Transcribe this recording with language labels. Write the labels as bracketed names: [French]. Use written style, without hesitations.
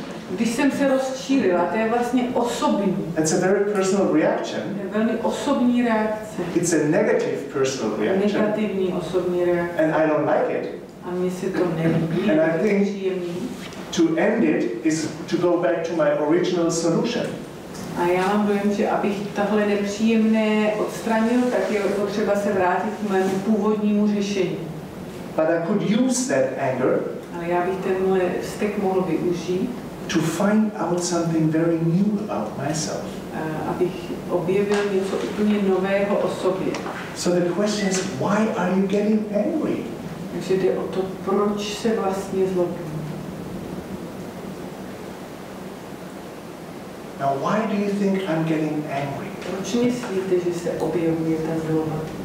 [Czech] Když jsem se rozčílila, to je vlastně osobní. [English] It's a very personal reaction. [Czech] Je velmi osobní reakce. [English] It's a negative personal reaction. [Czech] Negativní osobní reakce. [English] And I don't like it. [Czech] A mně se to nelíbí. [English] And I think to end it is to go back to my original solution. [Czech] A já mám dojem, že abych tahle nepříjemné odstranil, tak je potřeba se vrátit k mému původnímu řešení. [English] But I could use that anger. [Czech] Ale já bych tenhle vztek mohl využít. [English] to find out something very new about myself. [Czech] Abych objevil něco úplně nového o sobě. [English] So the question is, why are you getting angry? [Czech] Takže jde o to, proč se vlastně zlobím. [English] Now, why do you think I'm getting angry? [Czech] Proč myslíte, že se objevuje ta zloba?